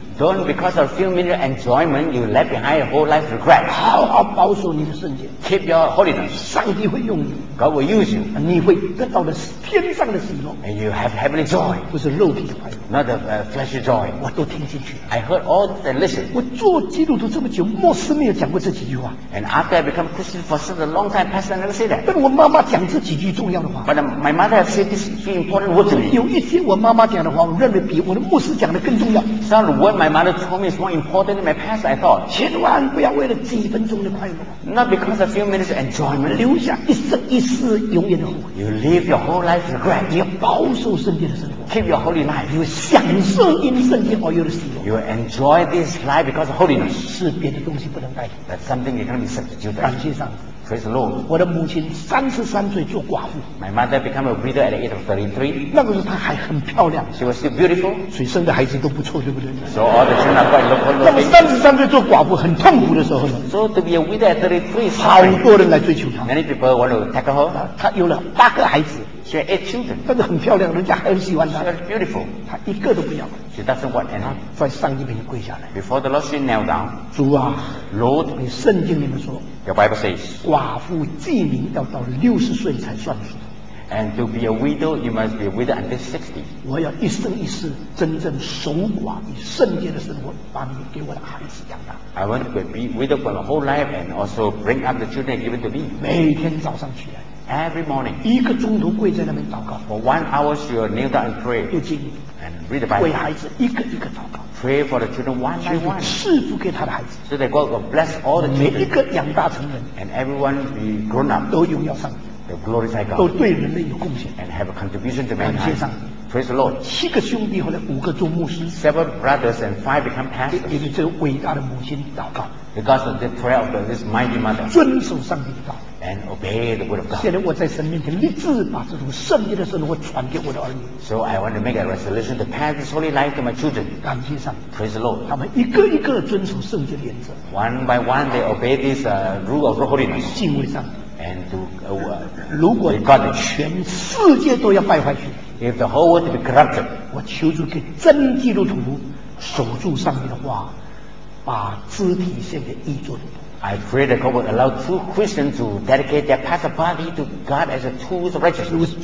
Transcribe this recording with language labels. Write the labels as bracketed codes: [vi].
[en] Don't because of a few minutes enjoyment you left behind a whole life regret. [zh] 好好保守你的圣洁。 [en] Keep your holiness. [zh] 上帝会用你。 [en] God will use you. [zh] 你会得到的天上的喜乐。 [en] And you have heavenly joy. [zh] 不是肉体的快乐。 [en] Not the fleshy joy. [zh] 我都听进去了。 [en] I heard all and listened. [zh] 我做基督徒这么久，牧师没有讲过这几句话。 [en] And after I become Christian for such a long time, pastor never said that. [zh] 但我妈妈讲这几句重要的话。 [en] But my mother has said this few important words to me. [zh] 有一些我妈妈讲的话，我认为比我的牧师讲的更重要。 [en] Some word my mother told me is more important than my pastor, I thought. [zh] 千万不要为了几分钟的快乐。 [en] Not because of a few minutes enjoyment. [zh] 留下一生一世。 [en] You live your whole life regret. [zh] 你要保守圣洁的生活。 [en] Keep your holy life. [zh] 你会享受因圣洁而有的喜乐。 [en] You will enjoy this life because of holiness. [zh] 是别的东西不能代替。 [en] That's something you can't be substituted. [zh] 感谢上帝。 [en] Praise the Lord. [zh] 我的母亲33岁做寡妇。 [en] My mother became a widow at the age of 33. [zh] 那个时候她还很漂亮。 [en] She was still beautiful. [zh] 所以生的孩子都不错，对不对？ [en] So all the children are quite looking. [zh] 那么33岁做寡妇很痛苦的时候呢？ [en] So to be a widow at 33, [zh] 好多人来追求她。 [en] Many people want to tackle her. [zh] 她有了8个孩子。 [en] She had 8 children. [zh] 但是很漂亮，人家很喜欢她。 [en] She was beautiful. [zh] 她一个都不要。 [en] She doesn't want anything. [zh] 在上帝面前跪下来。 [en] Before the Lord, she knelt down. [zh] 主啊， [en] Lord, [zh] 你圣经里面说， [en] Your Bible says, [zh] 寡妇记名要到60岁才算数。 [en] And to be a widow, you must be a widow until 60. [zh] 我要一生一世真正守寡以圣洁的生活，把你给我的孩子养大。 [en] I want to be widow for my whole life and also bring up the children given to me. [zh] 每天早上起来。 [en] Every morning. [zh] 一个钟头跪在那边祷告。 [en] For 1 hour, she will kneel down and pray. [zh] 读经。 [en] And read the Bible. [zh] 为孩子一个一个祷告。 [en] Pray for the children one by one. [zh] 就赐福给他的孩子。 [en] So that God will bless all the children. [zh] 每一个养大成人。 [en] And everyone be grown up. [zh] 都荣耀上帝。 [en] Glorify God, [zh] 都对人类有贡献 [en] and have a contribution to mankind. [zh] 感谢上帝 [en] Praise the Lord. [zh] 七个兄弟后来五个做牧师 [en] Seven brothers and five become pastors. [zh] 也是这伟大的母亲祷告 [en] Because of the prayer of this mighty mother. [zh] 遵守上帝的道 [en] And obey the word of God. [zh] 现在我在神面前立志把这种圣洁的生活传给我的儿女 [en] So I want to make a resolution to pass this holy life to my children. [zh] 感谢上帝 [en] Praise the Lord. [zh] 他们一个一个遵守圣洁的原则 [en] One by one, they obey this rule of holiness. [zh] 敬畏上帝 [en] And to, [zh] 如果全世界都要败坏去 [en] If the whole world be corrupted, [zh] 我求主给真基督徒守住上帝的话把肢体献给义作的 [en] I pray that God would allow true Christians to dedicate their past body to God as a tool of righteousness